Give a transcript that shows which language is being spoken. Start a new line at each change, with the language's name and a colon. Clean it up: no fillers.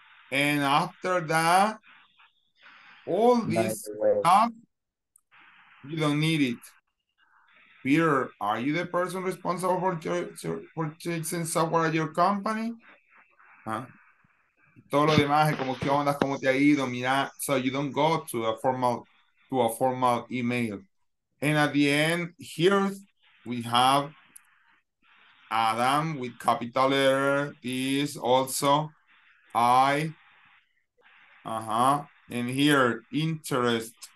English: And after that, all this stuff, you don't need it. Peter, are you the person responsible for purchasing software at your company? Huh?
Spanish: Todo lo demás, como qué onda, cómo te ha ido, mira.
English: So you don't go to a formal email. And at the end, here we have Adam with capital letter. This also I. And here, interest.